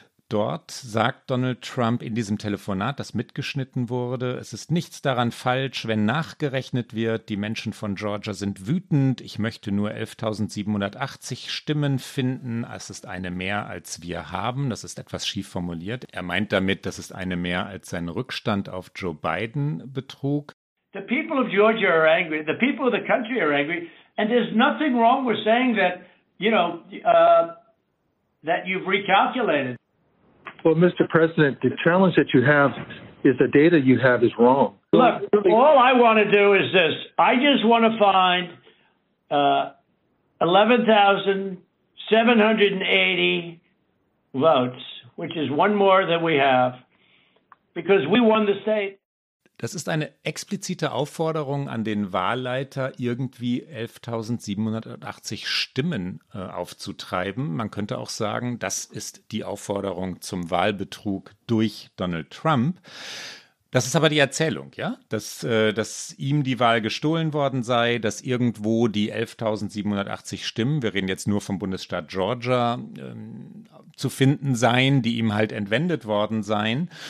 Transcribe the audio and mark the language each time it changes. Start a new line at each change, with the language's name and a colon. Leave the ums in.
German: Dort sagt Donald Trump in diesem Telefonat, das mitgeschnitten wurde, es ist nichts daran falsch, wenn nachgerechnet wird, die Menschen von Georgia sind wütend, ich möchte nur 11.780 Stimmen finden, es ist eine mehr, als wir haben, das ist etwas schief formuliert. Er meint damit, das ist eine mehr, als sein Rückstand auf Joe Biden betrug.
English: The people of Georgia are angry, the people of the country are angry, and there's nothing wrong with saying that, you know, uh, that you've Well, Mr. President, the challenge that you have is the data you have is wrong. Look, all I want to do is this I just want to find uh, 11,780 votes, which is one more than we have, because we won the state.
German: Das ist eine explizite Aufforderung an den Wahlleiter, irgendwie 11.780 Stimmen äh, aufzutreiben. Man könnte auch sagen, das ist die Aufforderung zum Wahlbetrug durch Donald Trump. Das ist aber die Erzählung, ja? Dass, äh, dass ihm die Wahl gestohlen worden sei, dass irgendwo die 11.780 Stimmen, wir reden jetzt nur vom Bundesstaat Georgia, äh, zu finden seien, die ihm halt entwendet worden seien.